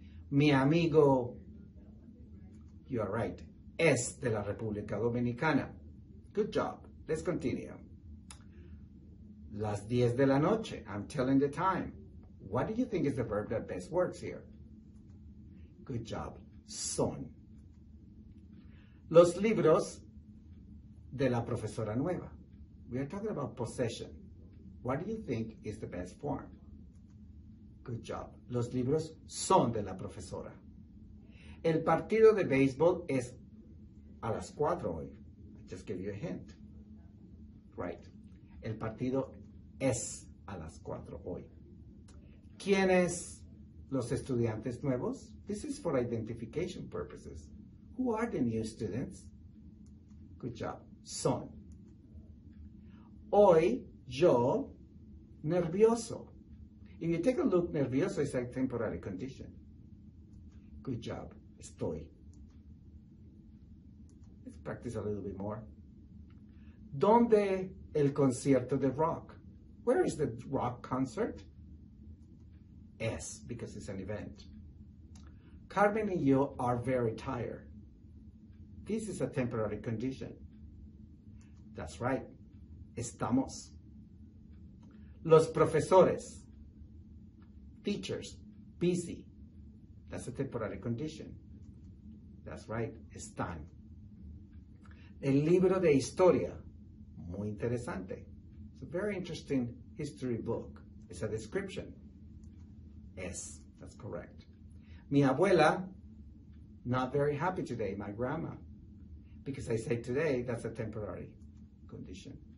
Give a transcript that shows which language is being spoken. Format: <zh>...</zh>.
<es>Mi amigo,</es> <en>you are right,</en> <es>es de la República Dominicana.</es> <en>Good job. Let's continue.</en> <es>Las 10 de la noche.</es> <en>I'm telling the time. What do you think is the verb that best works here? Good job. Son.</en> <es>Los libros de la profesora nueva.</es> <en>We are talking about possession. What do you think is the best form? Good job.</en> <es>Los libros son de la profesora. El partido de béisbol es a las 4 hoy.</es> <en>I just gave you a hint. Right.</en> <es>El partido es a las 4 hoy. ¿Quiénes los estudiantes nuevos?</es> <en>This is for identification purposes. Who are the new students? Good job. Son.</en> <es>Hoy yo nervioso.</es> <en>If you take a look, nervioso is a temporary condition. Good job. Estoy. Let's practice a little bit more.</en> <es>¿Dónde el concierto de rock?</es> <en>Where is the rock concert? Es, because it's an event. Carmen and you are very tired. This is a temporary condition. That's right. Estamos.</en> <es>Los profesores.</es> <en>Teachers, busy. That's a temporary condition. That's right, están.</en> <es>El libro de historia, muy interesante.</es> <en>It's a very interesting history book. It's a description. Es, that's correct.</en> <es>Mi abuela,</es> <en>not very happy today, my grandma. Because I say today, that's a temporary condition.</en>